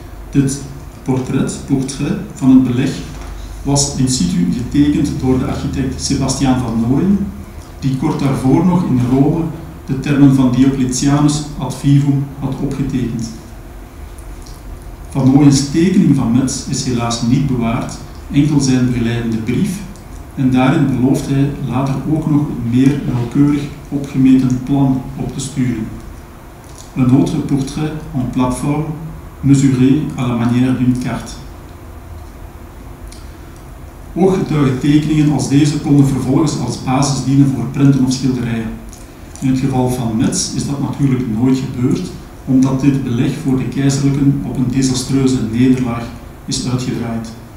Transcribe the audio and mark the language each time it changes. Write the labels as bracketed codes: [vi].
[nl] Dit portret van het beleg was in situ getekend door de architect Sebastiaan van Nooyen, die kort daarvoor nog in Rome de termen van Diocletianus ad vivum had opgetekend. Van Nooyens tekening van Metz is helaas niet bewaard, enkel zijn begeleidende brief, en daarin belooft hij later ook nog een meer nauwkeurig opgemeten plan op te sturen. Een [fr] autre portrait en plateforme, mesuré à la manière d'une carte. [nl] Ooggetuigentekeningen als deze konden vervolgens als basis dienen voor prenten of schilderijen. In het geval van Metz is dat natuurlijk nooit gebeurd, omdat dit beleg voor de keizerlijken op een desastreuze nederlaag is uitgedraaid.